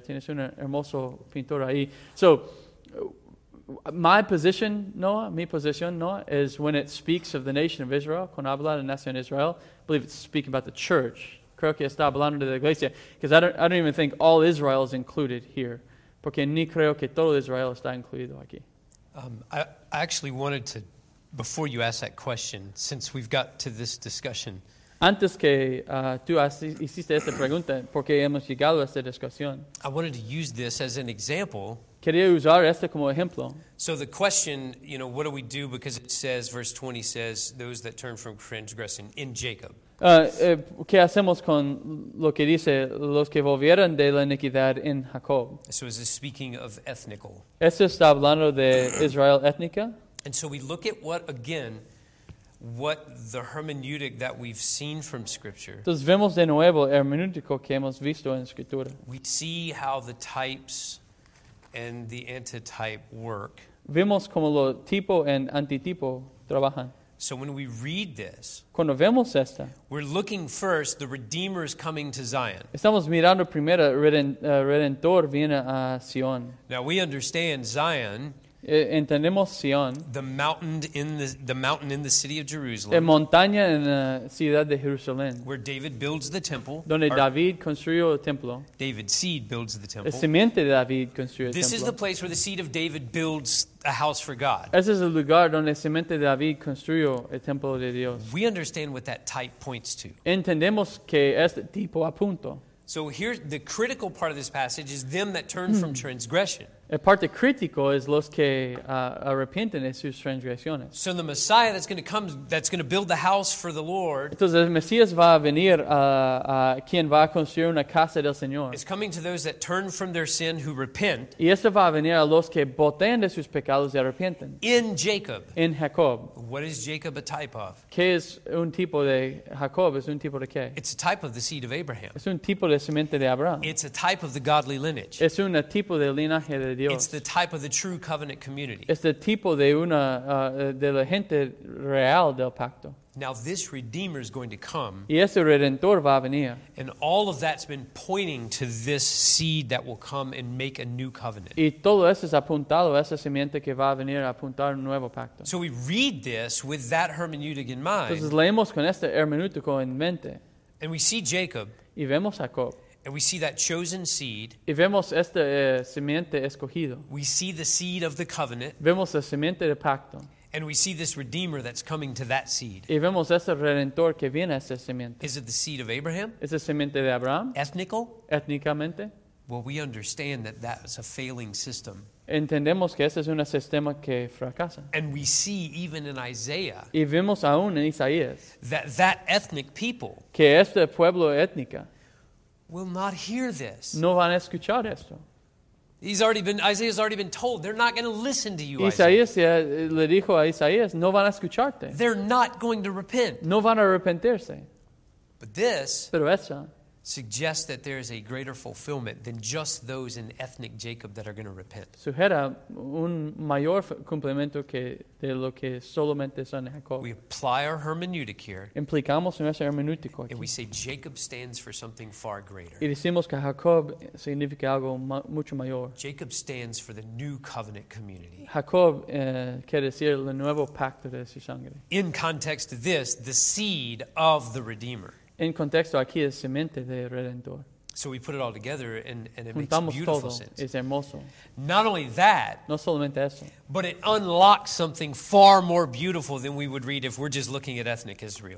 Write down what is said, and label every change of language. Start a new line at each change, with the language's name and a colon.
Spanish: Tienes una hermoso pintor ahí.
English: So my position, Noah,
Spanish: mi posición, Noah,
English: is when it speaks of the nation of Israel,
Spanish: cuando habla de la nación de Israel,
English: I believe it's speaking about the church.
Spanish: Creo que está hablando de la iglesia,
English: because I don't even think all Israel is included here,
Spanish: porque ni creo que todo Israel está incluido aquí.
English: I actually wanted to, before you ask that question, since we've got to this discussion,
Spanish: Antes que tú hiciste esta pregunta, porque hemos llegado a esta discusión.
English: I wanted to use this as an example.
Spanish: Quería usar este como ejemplo.
English: So the question, you know, what do we do? Because it says, verse 20 says, those that turn from transgressing in Jacob.
Spanish: ¿Qué hacemos con lo que dice los que volvieron de la iniquidad en Jacob?
English: So is this speaking of ethnical?
Spanish: ¿Esto está hablando de Israel étnica?
English: And so we look at what, again, what the hermeneutic that we've seen from Scripture.
Spanish: Entonces vemos de nuevo el hermenéutico que hemos visto en Escritura.
English: We see how the types and the antitype work.
Spanish: Vemos como lo tipo y antitipo trabajan.
English: So when we read this,
Spanish: cuando vemos esta,
English: we're looking first, the Redeemer is coming to Zion.
Spanish: Estamos mirando primero, Redentor viene a Sion.
English: Now we understand Zion.
Spanish: Entendemos Sion.
English: The mountain in the city of Jerusalem.
Spanish: La montaña en la ciudad de Jerusalén.
English: Where David builds the temple.
Spanish: Donde David construyó el templo.
English: David's seed builds the temple.
Spanish: La simiente de David construyó el
English: this This is the place where the seed of David builds a house for God.
Spanish: Ese es el lugar donde la simiente de David construyó el templo de Dios.
English: We understand what that type points to.
Spanish: Entendemos que este tipo apunta.
English: So here, the critical part of this passage is them that turn from transgression.
Spanish: La parte crítica es los que arrepienten de sus transgresiones.
English: So the Messiah that's going to come, that's going to build the house for the Lord.
Spanish: Entonces el Mesías va a venir, quien va a construir una casa del Señor.
English: It's coming to those that turn from their sin who repent.
Spanish: Y esto va a venir a los que voltean de sus pecados y arrepienten.
English: In Jacob.
Spanish: En Jacob.
English: What is Jacob a type of?
Spanish: ¿Qué es un tipo de Jacob? ¿Es un tipo de qué?
English: It's a type of the seed of Abraham.
Spanish: Es un tipo de simiente de Abraham.
English: It's a type of the godly lineage.
Spanish: Es un tipo de linaje de
English: It's the type of the true covenant community.
Spanish: Es el tipo de una de la gente real del pacto.
English: Now this Redeemer is going to come.
Spanish: Y ese Redentor va a venir.
English: And all of that's been pointing to this seed that will come and make a new covenant.
Spanish: Y todo eso es apuntado a esa simiente que va a venir a apuntar un nuevo pacto.
English: So we read this with that hermeneutic in mind.
Spanish: Entonces leemos con este hermenéutico en mente.
English: And we see Jacob.
Spanish: Y vemos a Jacob.
English: And we see that chosen seed.
Spanish: Y vemos esta simiente escogido.
English: We see the seed of the covenant.
Spanish: Vemos la simiente de pacto.
English: And we see this Redeemer that's coming to that seed.
Spanish: Y vemos este Redentor que viene a esa simiente.
English: Is it the seed of Abraham?
Spanish: Es la simiente de Abraham.
English: Ethnical?
Spanish: Étnicamente.
English: Well, we understand that that is a failing system.
Spanish: Entendemos que este es un sistema que fracasa.
English: And we see even in Isaiah.
Spanish: Y vemos aún en Isaías.
English: That ethnic people.
Spanish: Que este pueblo étnica.
English: Will not hear this.
Spanish: No van a escuchar esto.
English: Isaiah has already been told they're not going to listen to you.
Spanish: Isaías le dijo a Isaías, no van a escucharte.
English: They're not going to repent.
Spanish: No van a arrepentirse.
English: But this.
Spanish: Pero esto.
English: Suggests that there is a greater fulfillment than just those in ethnic Jacob that are going to repent.
Spanish: Sugiere un mayor cumplimiento que de lo que solamente son Jacob.
English: We apply our hermeneutic here.
Spanish: Implicamos nuestro hermenéutico aquí.
English: And we say Jacob stands for something far greater.
Spanish: Y decimos que Jacob significa algo mucho mayor.
English: Jacob stands for the new covenant community.
Spanish: Jacob quiere decir el nuevo pacto de su sangre.
English: In context of this, the seed of the Redeemer.
Spanish: En contexto aquí es semente de Redentor.
English: So we put it all together and it
Spanish: juntamos
English: makes beautiful Sense.
Spanish: Es hermoso.
English: Not only that,
Spanish: no solamente eso.
English: But it unlocks something far more beautiful than we would read if we're just looking at ethnic Israel.